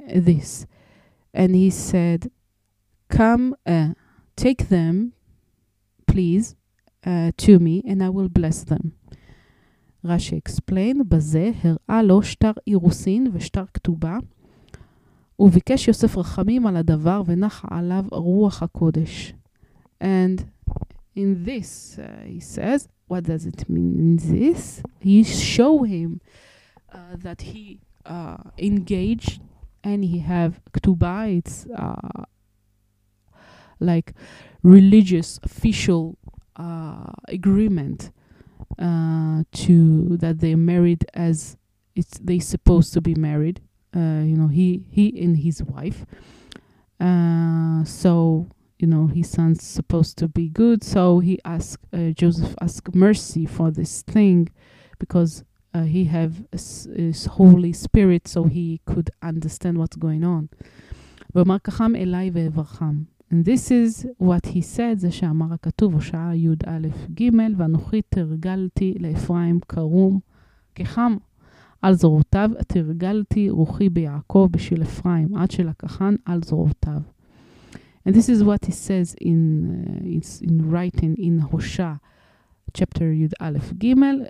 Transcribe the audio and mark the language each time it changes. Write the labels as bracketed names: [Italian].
[English] This. And he said, take them, please, to me, and I will bless them. Rashi explained, [Hebrew] בזה הראה לו שטר אירוסין ושטר כתובה, וביקש יוסף רחמים על הדבר ונח עליו רוח הקודש. [English] And in this, he says, what does it mean in this? He show him that he engaged and he have כתובה, it's like religious official agreement to that they married as it's they supposed to be married, you know, he and his wife, so you know his son's supposed to be good, so he asked Joseph ask mercy for this thing, because he have his Holy Spirit, so he could understand what's going on. [Hebrew] ואמר כחם אליי ואברחם. [English] And this is what he said, [Hebrew] זה שאמר הכתוב, הושעה י' א' ג', ואנוכי תרגלתי לאפרים קרום כחם. על זרותיו תרגלתי רוחי ביעקב בשביל אפרים, עד שלקחן על זרותיו. [English] And this is what he says in writing in Hosha chapter Yud Aleph Gimel.